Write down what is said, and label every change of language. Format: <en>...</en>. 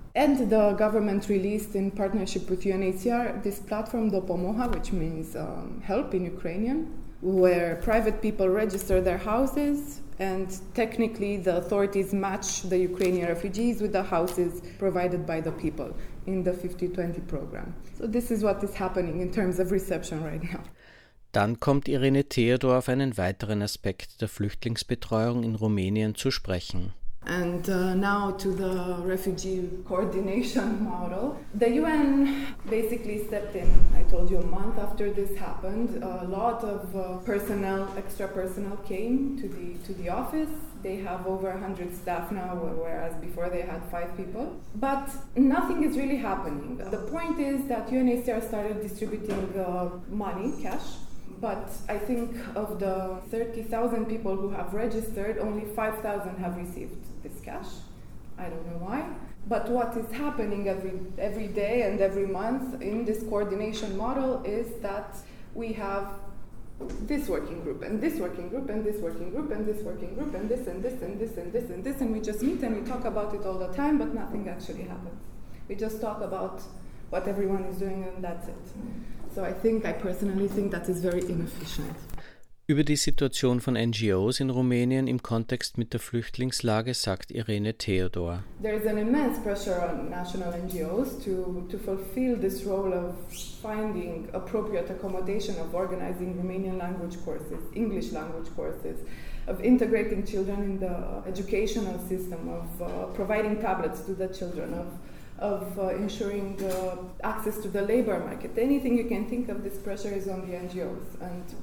<en>And the government released in partnership with UNHCR this platform, Dopomoha, which means help in Ukrainian, where private people register their houses. And technically, the authorities match the Ukrainian refugees with the houses provided by the people in the 50-20 program. So this is what is happening in terms of reception right now.</en> <de>Dann kommt Irene Theodor auf einen weiteren Aspekt der Flüchtlingsbetreuung in Rumänien zu sprechen.</de> <en>And now to the refugee coordination model. The UN basically stepped in, I told you, a month after this happened. A lot of extra personnel came to the office. They have over 100 staff now, whereas before they had 5 people. But nothing is really happening. The point is that UNHCR started distributing money, cash. But I think of the 30,000 people who have registered, only 5,000 have received this cash. I don't know why. But what is happening every day and every month in this coordination model is that we have this working group and this working group and this working group and this working group and this and this and this and this and this, and we just meet and we talk about it all the time, but nothing actually happens. We just talk about what everyone is doing and that's it. So I personally think that is very inefficient.</en> <de>Über die Situation von NGOs in Rumänien im Kontext mit der Flüchtlingslage sagt Irene Theodor.</de> <en>There is an immense pressure on national NGOs to fulfill this role of finding appropriate accommodation, of organizing Romanian language courses, English language courses, of integrating children in the educational system, of providing tablets to the children, of ensuring access to the labor market. Anything you can think of, this pressure is on the NGOs. And</en>